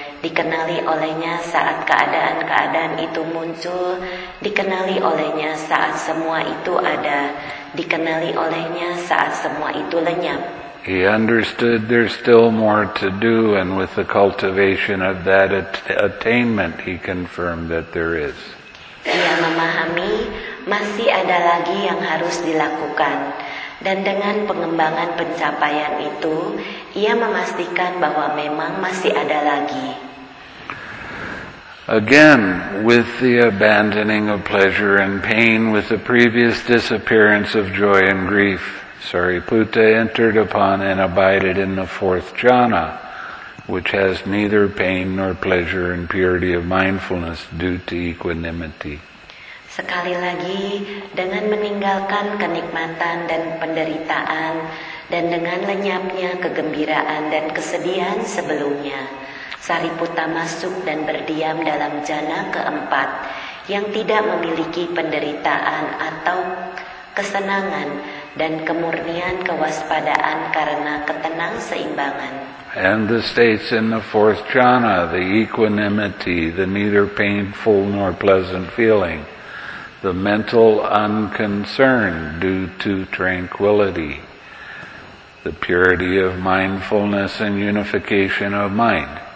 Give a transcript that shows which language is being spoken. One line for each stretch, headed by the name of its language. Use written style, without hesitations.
Indonesian: Dikenali olehnya saat keadaan-keadaan itu muncul, dikenali olehnya saat semua itu ada, dikenali olehnya saat semua itu lenyap.
English: He understood there's still more to do, and with the cultivation of that attainment, he confirmed that there is.
Indonesian: Ia memahami masih ada lagi yang harus dilakukan, dan dengan pengembangan pencapaian itu, ia memastikan bahwa memang masih ada lagi.
English: Again, with the abandoning of pleasure and pain, with the previous disappearance of joy and grief, Sariputta entered upon and abided in the fourth jhana, which has neither pain nor pleasure and purity of mindfulness due to equanimity.
Indonesian: Sekali lagi, dengan meninggalkan kenikmatan dan penderitaan, dan dengan lenyapnya kegembiraan dan kesedihan sebelumnya, Sariputta masuk dan berdiam dalam jhana keempat yang tidak memiliki penderitaan atau kesenangan dan kemurnian kewaspadaan karena ketenang seimbangan.
English: And the states in the fourth jhana, the equanimity, the neither painful nor pleasant feeling, the mental unconcern due to tranquility, the purity of mindfulness and unification of mind.